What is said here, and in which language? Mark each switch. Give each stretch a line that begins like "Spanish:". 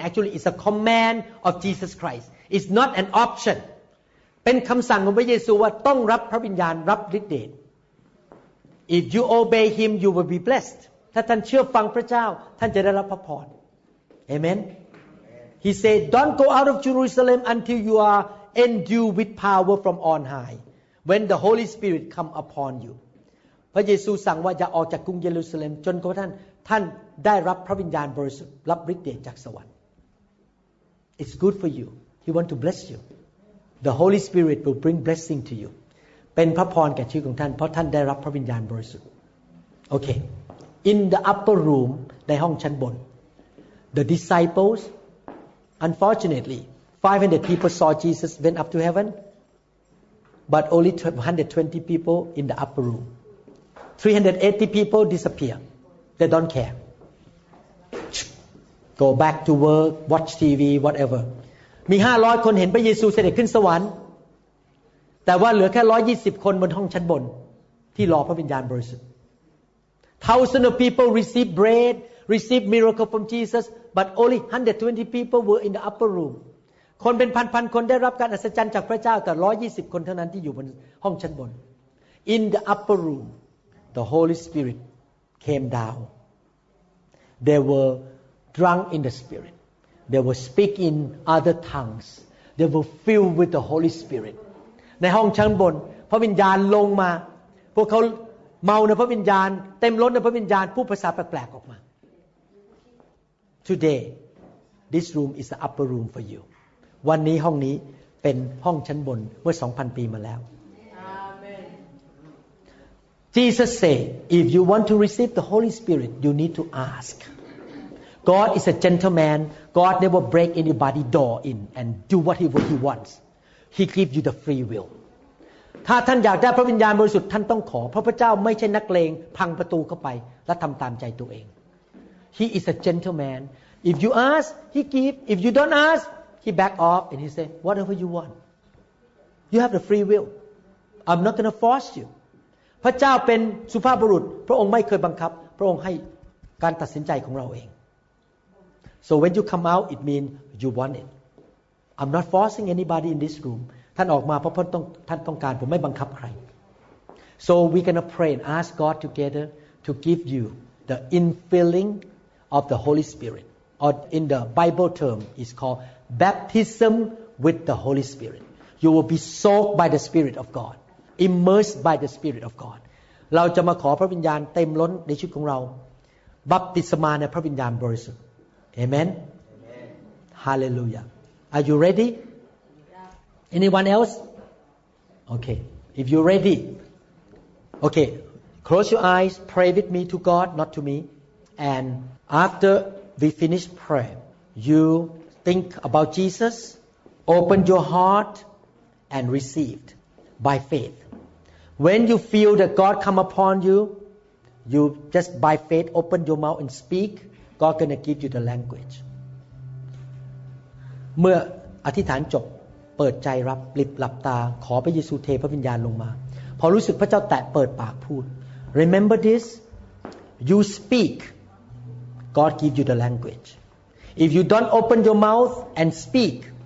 English: Actually, it's a command of Jesus Christ. It's not an option.
Thai: เป็นคำสั่งของพระเยซูว่าต้องรับพระวิญญาณรับฤทธิ์เดช
English: If you obey Him, you will be blessed.
Thai: ถ้าท่านเชื่อฟังพระเจ้าท่านจะได้รับพระพร Amen.
English: He said, "Don't go out of Jerusalem until you are endued with power from on high, when the Holy Spirit come upon you."
Thai: พระเยซูสั่งว่าอย่าออกจากกรุงเยรูซาเล็มจนกระทั่งท่านได้รับพระวิญญาณบริสุทธิ์รับฤทธิ์เดชจากสวรรค์
English: It's good for you. He want to bless you. The Holy Spirit will bring blessing to you.
Thai: เป็นพระพรแก่ชีวิตของท่านเพราะท่านได้รับพระวิญญาณบริสุทธิ์ Okay.
English: In the upper room,
Thai: ในห้องชั้นบน
English: the disciples. Unfortunately, 500 people saw Jesus went up to heaven, but only 120 people in the upper room. 380 people disappear. They don't care. Go back to work, watch TV, whatever.
Thai: มี500คนเห็นพระเยซูเสด็จขึ้นสวรรค์แต่ว่าเหลือแค่120คนบนห้องชั้นบนที่รอพระวิญญาณบริสุทธิ์
English: Thousands of people receive bread, receive miracle from Jesus. But only 120 people were in the upper room.
Thai: คนเป็นพันๆคนได้รับการอัศจรรย์จากพระเจ้าแต่120คนเท่านั้นที่อยู่บนห้องชั้นบน
English: In the upper room, the Holy Spirit came down. They were drunk in the Spirit. They were speaking other tongues. They were filled with the Holy Spirit.
Thai: ในห้องชั้นบนพระวิญญาณลงมาพวกเขาเมาในพระวิญญาณเต็มล้นในพระวิญญาณพูดภาษาแปลกๆออกมา
English: Today, this room is the upper room for you.
Thai: วันนี้ห้องนี้เป็นห้องชั้นบนเมื่อ 2,000 ปีมาแล้ว
English: Amen. Jesus said, if you want to receive the Holy Spirit, you need to ask. God is a gentleman. God never break anybody's door in and do what he wants. He gives you the free will.
Thai: ถ้าท่านอยากได้พระวิญญาณบริสุทธิ์ท่านต้องขอเพราะพระเจ้าไม่ใช่นักเลงพังประตูเข้าไปและทำตามใจตัวเอง
English: He is a gentleman. If you ask, he give. If you don't ask, he back off and he say whatever you want. You have the free will. I'm not gonna force you.
Thai: พระเจ้าเป็นสุภาพบุรุษพระองค์ไม่เคยบังคับพระองค์ให้การตัดสินใจของเราเอง
English: So when you come out, it means you want it. I'm not forcing anybody in this room.
Thai: ท่านออกมาเพราะท่านต้องการผมไม่บังคับใคร
English: So we gonna pray and ask God together to give you the infilling of the Holy Spirit or in the Bible term is called baptism with the Holy Spirit You will be soaked by the Spirit of God immersed by the Spirit of God
Thai: เราจะมาขอพระวิญญาณเต็มล้นในชีวิตของเราบัพติศมาในพระวิญญาณบริสุทธิ์
English: Amen Hallelujah Are you readyAnyone else? Okay. If you're ready. Okay. Close your eyes. Pray with me to God, not to me. And after we finish prayer, you think about Jesus, open your heart, and receive by faith. When you feel that God come upon you, you just by faith open your mouth and speak. God gonna give you the language.
Thai: เมื่ออธิษฐานจบเปิดใจรับปลิบหลับตาขอพระเยซูเทพระวิญญาณลงมาพอรู้สึกพระเจ้าแตะเปิดปากพูด
English: Remember this you speak God give you the language if you don't open your mouth and speak